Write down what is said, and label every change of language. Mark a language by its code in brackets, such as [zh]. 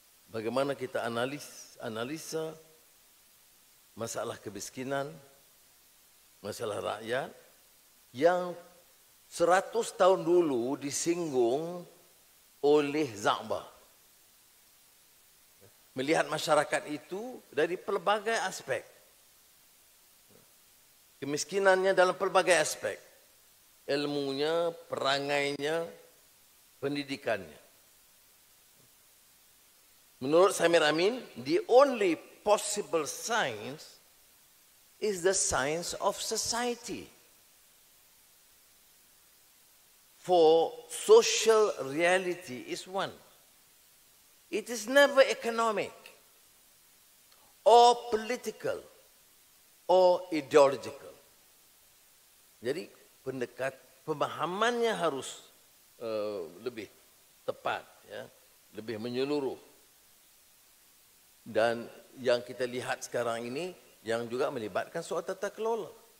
[ms] Bagaimana kita analisa masalah kemiskinan, masalah rakyat yang 100 tahun dulu disinggung oleh Za'bah. Melihat masyarakat itu dari pelbagai aspek. Kemiskinannya dalam pelbagai aspek. Ilmunya, perangainya, pendidikannya. [en] Menurut Samir Amin, the only possible science is the science of society for social reality is one. It is never economic or political or ideological. [ms] Jadi pendekat pemahamannya harus lebih tepat, ya, lebih menyeluruh. Dan yang kita lihat sekarang ini yang juga melibatkan soal tata kelola.